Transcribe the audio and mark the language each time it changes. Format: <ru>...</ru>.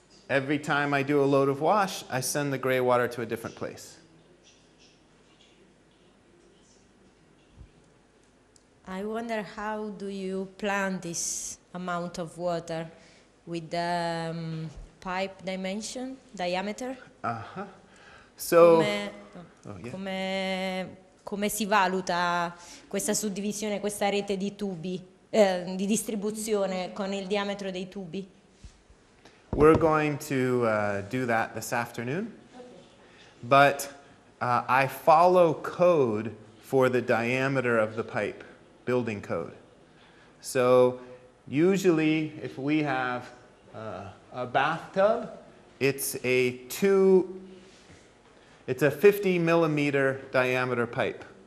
<en>Every time I do a load of wash, I send the gray water to a different place. I wonder, how do you plan this amount of water with the pipe dimension, diameter? So,</en> <it>come si valuta questa suddivisione, questa rete di tubi, di distribuzione con il diametro dei tubi?</it> <en>We're going to do that this afternoon. But I follow code for the diameter of the pipe, building code. So usually if we have a bathtub, it's a 50 millimeter diameter pipe.</en>